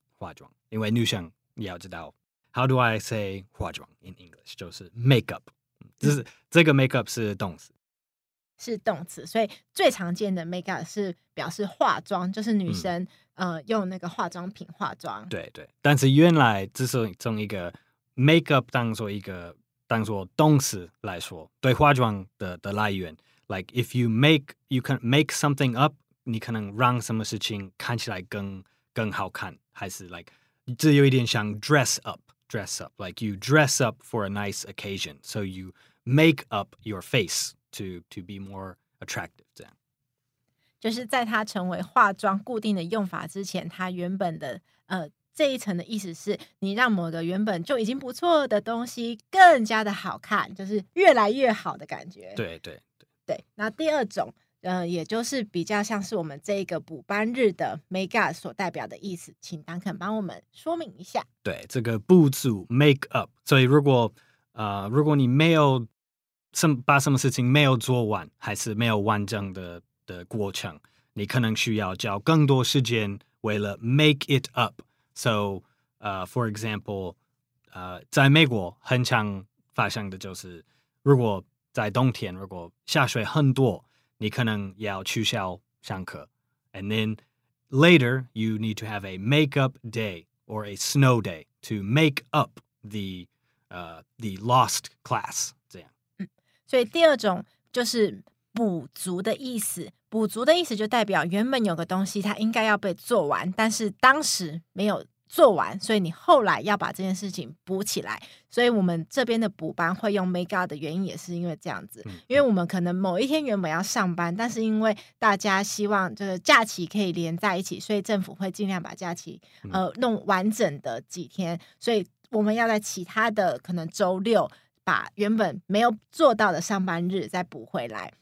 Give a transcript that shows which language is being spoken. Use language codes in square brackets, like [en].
[zh] 化妆，因为女生也要知道 [en] How do I say [zh] 化妆 in English 就是 makeup， 就是这个 makeup 是动词，是动词，所以最常见的 makeup 是表示化妆，就是女生用那个化妆品化妆。对对，但是原来只是从一个 makeup 当做动词来说，对化妆的来源 ， [en] like if you make you can make something up， [zh] 你可能让什么事情看起来更好看，还是 like 这有一点像 dress up， [en] like you dress up for a nice occasion， so you make up your face to be more attractive， [zh] 这样。就是在它成为化妆固定的用法之前，它原本的这一层的意思是你让某个原本就已经不错的东西更加的好看，就是越来越好的感觉。对对对对。那第二种也就是比较像是我们这个补班日的 make up 所代表的意思，请 Duncan 帮我们说明一下。对，这个补助 make up， 所以如果你没有把什么事情没有做完，还是没有完整的过程，你可能需要交更多时间为了 make it up。 [en] So, for example, [zh] 在美国很常发生的就是，如果在冬天，如果下雪很多，你可能要取消上课。 [en] And then later, you need to have a makeup day or a snow day to make up the lost class. [zh] 这样。所以第二种就是补足的意思，补足的意思就代表原本有个东西它应该要被做完，但是当时没有做完，所以你后来要把这件事情补起来。所以我们这边的补班会用 make up 的原因也是因为这样子，因为我们可能某一天原本要上班，但是因为大家希望就是假期可以连在一起，所以政府会尽量把假期弄完整的几天，所以我们要在其他的可能周六把原本没有做到的上班日再补回来。